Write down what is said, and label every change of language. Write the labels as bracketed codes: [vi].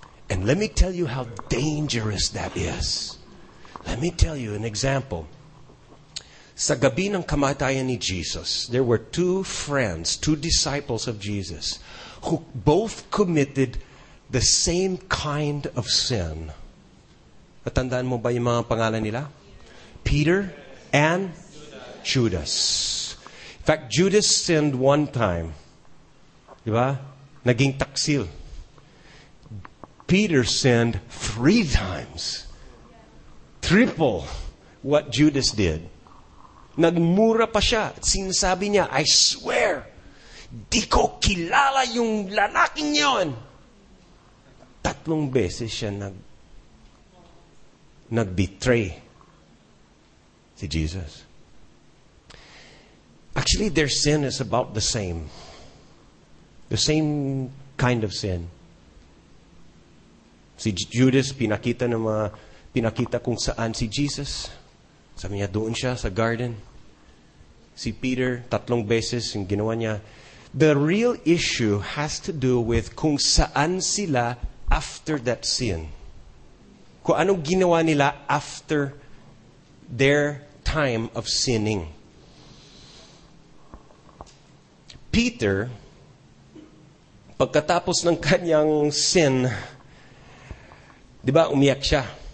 [en] And let me tell you how dangerous that is. Let me tell you an example. [tl] Sa gabi ng kamatayan ni Jesus, [en] there were two friends, two disciples of Jesus, who both committed the same kind of sin. [tl] Tandaan mo ba yung mga pangalan nila? [en] Peter and Judas. In fact, Judas sinned one time. [tl] Diba? Naging taksil. [en] Peter sinned three times. Triple what Judas did. [tl] Nagmura pa siya. Sinasabi niya, [en] I swear, [tl] di ko kilala yung lalaking yon. Tatlong beses siya nag-betray si Jesus. [en] Actually, their sin is about the same. The same kind of sin. [tl] Si Judas, pinakita kung saan si Jesus. Sabi niya, doon siya sa garden. Si Peter, tatlong beses yung ginawa niya. [en] The real issue has to do with [tl] kung saan sila [en] after that sin. [tl] Kung anong ginawa nila [en] after their time of sinning. [tl] Peter, pagkatapos ng kanyang sin, di ba, umiyak siya.